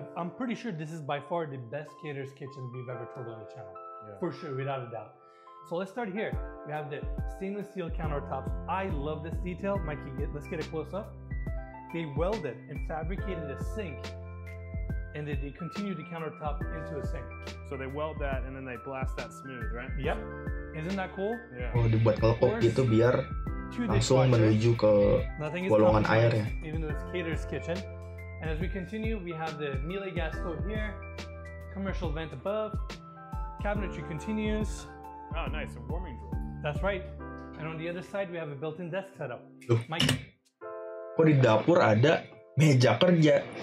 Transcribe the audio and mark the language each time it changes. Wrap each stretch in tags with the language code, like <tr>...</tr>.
<en>I'm pretty sure this is by far the best caterer's kitchen we've ever told on the channel. For sure, without a doubt. So let's start here. We have the stainless steel countertops. I love this detail. Mikey, let's get a close up. They welded and fabricated a sink, and then they continued the countertop into a sink. So they weld that and then they blast that smooth, right? Yep. Isn't that cool? Yeah.</en> <id>Oh, dibuat kelepok gitu biar langsung menuju ke bolongan airnya.</id> <en>Even though it's caterer's kitchen. And as we continue, we have the Miele gas stove here, commercial vent above, cabinetry continues. Oh, nice, a warming drawer. That's right. And on the other side, we have a built-in desk setup.</en> <id>Mike. Kok di dapur ada meja kerja?</id>